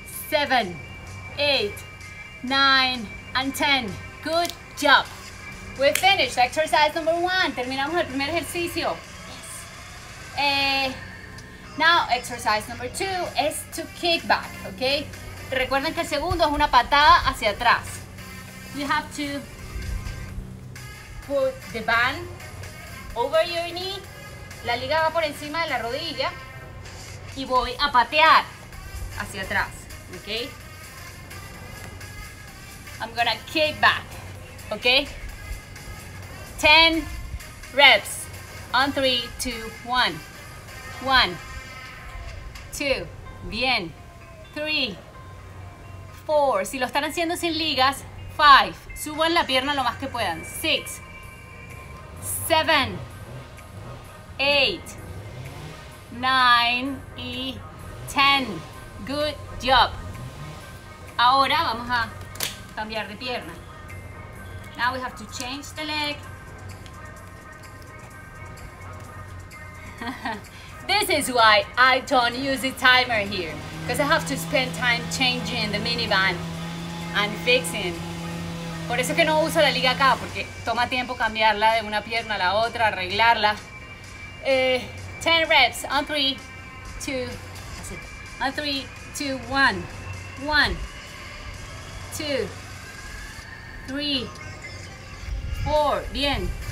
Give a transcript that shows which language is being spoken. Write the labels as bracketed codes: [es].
[en] 7, 8, 9, and 10. Good job. We're finished. Exercise number 1. [es] Terminamos el primer ejercicio. Yes. [en] Now, exercise number 2 is to kick back, okay? [es] Recuerden que el segundo es una patada hacia atrás. [en] You have to put the band over your knee. [es] La liga va por encima de la rodilla. Y voy a patear hacia atrás, okay? [en] I'm gonna kick back, okay? 10 reps. On 3, 2, 1. 1, 2, bien. [es] 3, 4. Si lo están haciendo sin ligas, 5. Suban la pierna lo más que puedan. 6, 7, 8, 9, y 10. [en] Good job. [es] Ahora vamos a cambiar de pierna. [en] Now we have to change the leg. This is why I don't use a timer here, because I have to spend time changing the minivan and fixing. [es] Por eso que no uso la liga acá, porque toma tiempo cambiarla de una pierna a la otra, arreglarla. [en] 10 reps on 3, 2, on 3, 2, 1. 1, 2, 3, 4, bien.